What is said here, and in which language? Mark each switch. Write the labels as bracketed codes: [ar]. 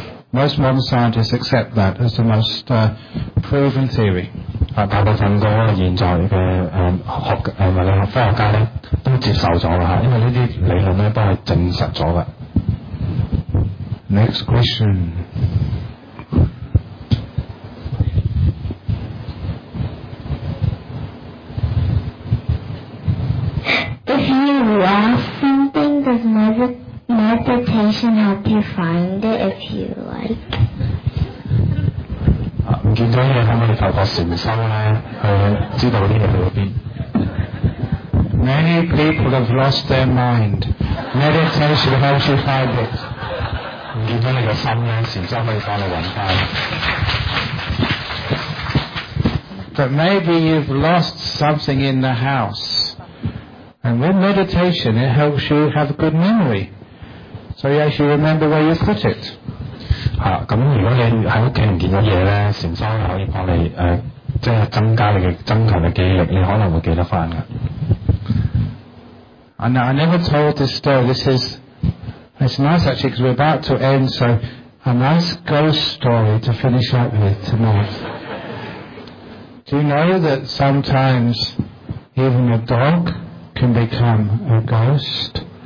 [en] Most modern scientists accept that as the most proven theory. [yue] 大部分個現在嘅科學家咧。都接受咗啦，因為呢啲理論咧都係證實咗嘅。 [en] Next question. If you lost something, does meditation help you find it if you like? [yue] 唔見咗嘢，可唔可以透過禪修咧去知道啲嘢去咗邊？ [en] Many people have lost their mind. Meditation helps you find it. Give me your [yue] 心咧，禅修可以帮你揾翻。 [en] But maybe you've lost something in the house. And with meditation, it helps you have a good memory. So you actually remember where you put it. [yue] 咁如果你喺屋企唔见咗嘢咧，禅修可以帮你即系增加你嘅增强嘅记忆，你可能会记得翻噶。 [en] And I never told this story. It's nice actually because we're about to end, so a nice ghost story to finish up with tonight. Do you know that sometimes even a dog can become a ghost?